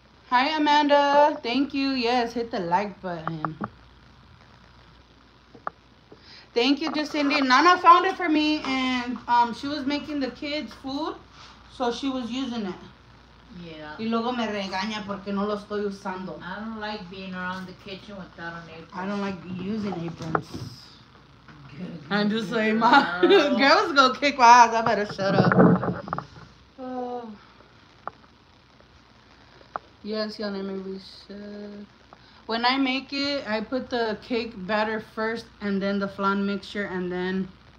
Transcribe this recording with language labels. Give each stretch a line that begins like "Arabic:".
English: Hi, Amanda. Thank you. Yes, hit the like button. Thank you, Jacindy. Nana found it for me, and she was making the kids food, so she was using it. Yeah.
Spanish: Y luego me regaña porque no lo estoy usando.
English: I don't like being around the kitchen without an apron. I don't like using aprons. I'm just like, my girl's going to kick my ass. I better shut up. Yes, y'all name me. When I make it, I put the cake batter first and then the flan mixture and then.